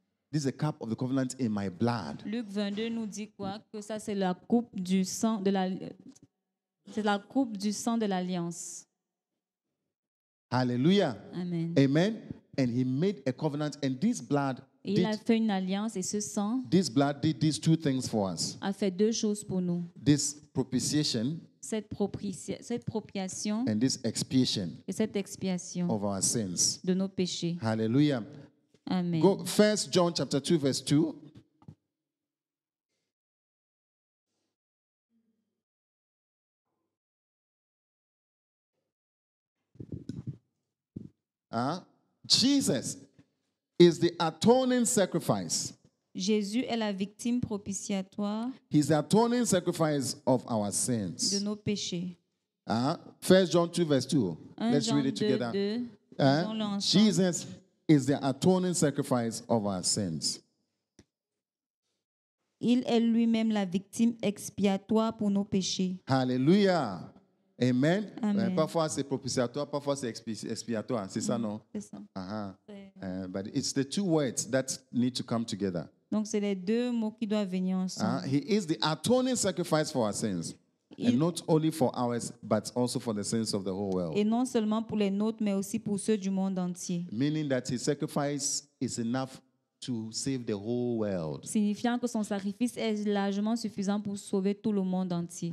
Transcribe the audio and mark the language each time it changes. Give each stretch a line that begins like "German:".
English: This is the cup of the covenant in my blood.
French: Luke 22 nous dit quoi? Que ça, c'est la coupe du sang de la... C'est la coupe du sang de l'alliance.
English: Hallelujah. Amen. Amen. And he made a covenant, and this blood.
French: Et il a fait une alliance et ce sang.
English: This blood did these two things for us.
French: A fait deux choses pour nous.
English: This propitiation.
French: Cette propitiation.
English: And this expiation.
French: Et cette expiation.
English: Of our sins.
French: De nos péchés.
English: Hallelujah. Amen. Go 1 John chapter 2 verse 2. Jesus is the atoning sacrifice.
French: Jésus est la victime propitiatoire.
English: He's the atoning sacrifice of our sins.
French: De nos péchés.
English: 1 John 2 verse 2. Let's
French: Jean
English: read it together. Jesus is the atoning sacrifice of our sins.
French: Il est lui-même la victime expiatoire pour nos péchés.
English: Hallelujah. Amen.
French: Amen. Parfois c'est propitiatoire, parfois c'est expiatoire. C'est ça, non? C'est ça.
English: But it's the two words that need to come together.
French: Donc c'est les deux mots qui doivent venir ensemble.
English: He is the atoning sacrifice for our sins. And not only for ours, but also for the sins of the whole world.
French: Et non seulement pour les nôtres, mais aussi pour ceux du monde entier.
English: Meaning that his sacrifice is enough to save the whole world.
French: Signifiant que son sacrifice est largement suffisant pour sauver tout le monde entier.